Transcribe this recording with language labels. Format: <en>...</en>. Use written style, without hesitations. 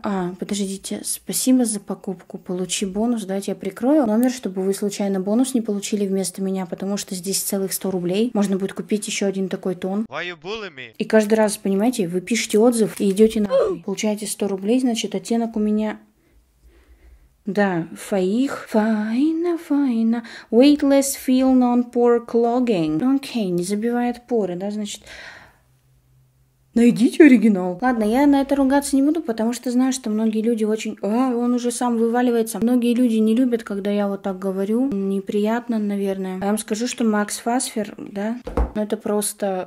<ru>А, подождите, спасибо за покупку. Получи бонус, да, я прикрою номер, чтобы вы случайно бонус не получили вместо меня, потому что здесь целых 100 рублей. Можно будет купить еще один такой тон.</ru> <en>Why you bully me?</en> <ru>И каждый раз, понимаете, вы пишете отзыв и идете на... Получаете 100 рублей, значит, оттенок у меня... Да, фаих. Файна, файна.</ru> <en>Weightless feel non-pore clogging.</en> <ru>Окей, не забивает поры, да, значит. Найдите оригинал. Ладно, я на это ругаться не буду, потому что знаю, что многие люди очень... А, он уже сам вываливается. Многие люди не любят, когда я вот так говорю. Неприятно, наверное. Я вам скажу, что Max Phosphor, да? Ну, это просто...</ru>